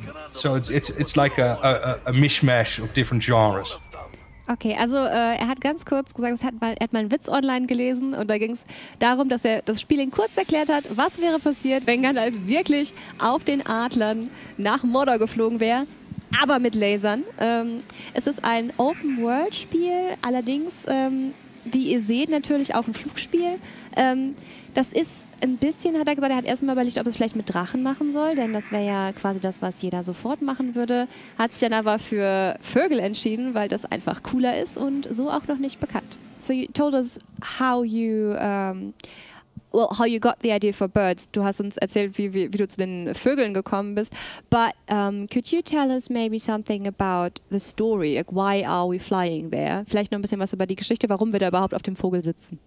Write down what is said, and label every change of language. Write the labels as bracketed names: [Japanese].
[English] So it's like a mishmash of different genres. [German] Okay, also er hat ganz kurz gesagt, er hat mal einen Witz online gelesen und da ging es darum, dass er das Spiel in kurz erklärt hat, was wäre passiert, wenn Gandalf wirklich auf den Adlern nach Mordor geflogen wäre, aber mit Lasern. Es ist ein Open-World-Spiel, allerdings, wie ihr seht, natürlich auch ein Flugspiel. Das ist ein bisschen, hat er gesagt, er hat erstmal überlegt, ob es vielleicht mit Drachen machen soll, denn das wäre ja quasi das, was jeder sofort machen würde. Hat sich dann aber für Vögel entschieden, weil das einfach cooler ist und so auch noch nicht bekannt. [English] So you told us how you, how you got the idea for birds. [German] Du hast uns erzählt, wie du zu den Vögeln gekommen bist. [English] But could you tell us maybe something about the story? Like, why are we flying there? [German] Vielleicht noch ein bisschen was über die Geschichte, warum wir da überhaupt auf dem Vogel sitzen.